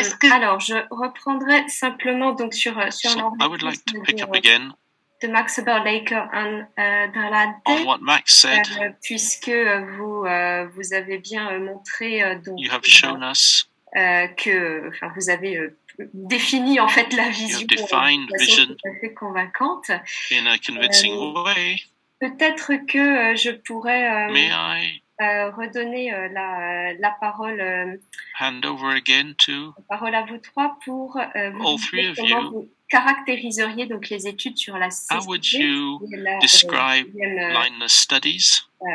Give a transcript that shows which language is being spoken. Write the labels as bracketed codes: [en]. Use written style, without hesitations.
[fr] alors je reprendrai simplement donc sur [en] I would like to pick up again [fr] de Max Baerlaker and Dalade, [en] on what Max said, [fr] puisque vous avez bien montré donc [en] you have shown us, [fr] que enfin vous avez défini en fait la vision, [en] you have de vision [fr] assez convaincante [en] in a convincing way. [fr] Peut-être que je pourrais redonner la parole, [en] hand over again to [fr] la parole à vous trois pour vous dire comment vous caractériseriez donc les études sur la [en] cécité. How would you describe blindness studies?